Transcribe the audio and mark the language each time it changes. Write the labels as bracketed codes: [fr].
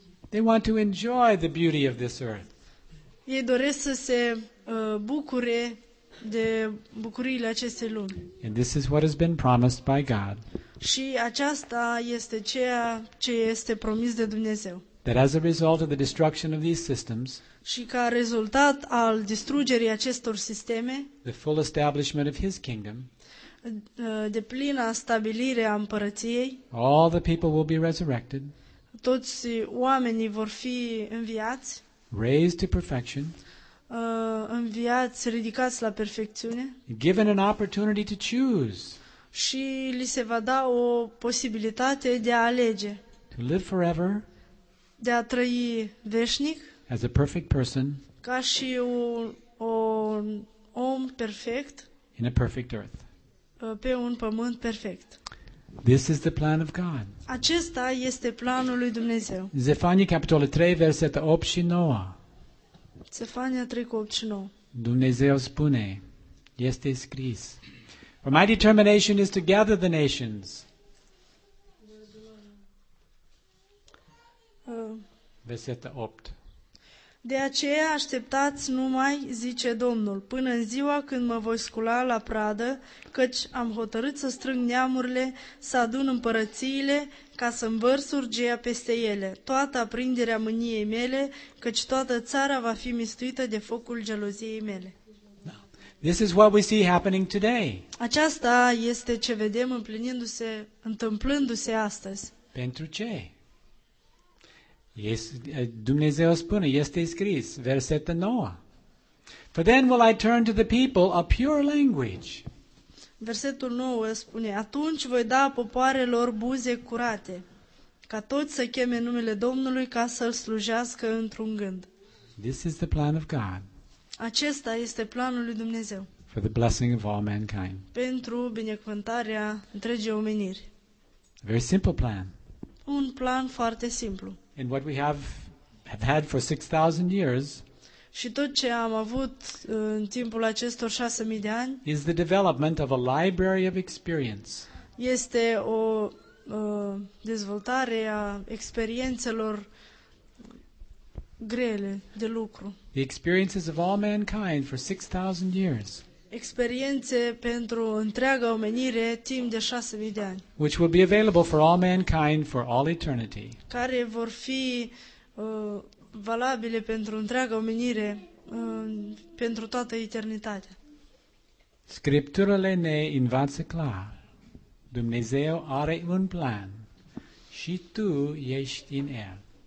[en] They want to enjoy the beauty of this earth. [ro] Ei doresc să se bucure de bucuriile acestei lumi. [en] And this is what has been promised by God. [ro] Și aceasta este ceea ce este promis de Dumnezeu. [en] That as a result of the destruction of these systems, [ro] și ca rezultat al distrugerii acestor sisteme, [en] the full establishment of his kingdom, [ro] de plină stabilire a împărăției, [en] all the people will be resurrected, [ro] toți oamenii vor fi înviați, [en] raised to perfection, [ro] înviați, ridicați la perfecțiune, [en] given an opportunity to choose, [ro] și li se va da o posibilitate de a alege, [en] to live forever, [ro] de a trăi veșnic, [en] as a perfect person, [ro] ca și un om perfect, [en] in a perfect earth. [ro] Pe un pământ perfect. [en] This is the plan of God. [ro] Acesta este planul lui Dumnezeu. Zefania capitolul 3 versetul 8 și 9. Zefania 3 cu 8 și 9. Dumnezeu spune, este scris. [en] For my determination is to gather the nations. [ro] Versetul 8. De aceea așteptați numai, zice Domnul, până în ziua când mă voi scula la pradă, căci am hotărât să strâng neamurile, să adun împărățiile, ca să învăr surgia peste ele, toată aprinderea mâniei mele, căci toată țara va fi mistuită de focul geloziei mele. [en] This is what we see happening today. [ro] Aceasta este ce vedem întâmplându-se astăzi. Pentru ce? Dumnezeu spune, este scris, versetul 9. [en] For then will I turn to the people a pure language. [ro] Versetul 9 spune, atunci voi da popoarelor buze curate, ca toți să cheme numele Domnului ca să-l slujească într-un gând. [en] This is the plan of God. [ro] Acesta este planul lui Dumnezeu. [en] For the blessing of all mankind. [ro] Pentru binecuvântarea întregii omeniri. [en] A very simple plan. [ro] Un plan foarte simplu. [en] And what we have had for 6,000 years. [ro] Și tot ce am avut în timpul acestor 6,000 de ani. [en] Is the development of a library of experience. [ro] Este o dezvoltare a experiențelor grele de lucru. [en] The experiences of all mankind for 6,000 years. [ro] Experiențe pentru întreaga omenire timp de 6,000 de ani. [en] Which will be available for all mankind for all eternity. [ro] Care vor fi valabile pentru întreaga omenire pentru toată eternitatea. Scripturile ne învață clar. Dumnezeu are un plan și tu ești în el.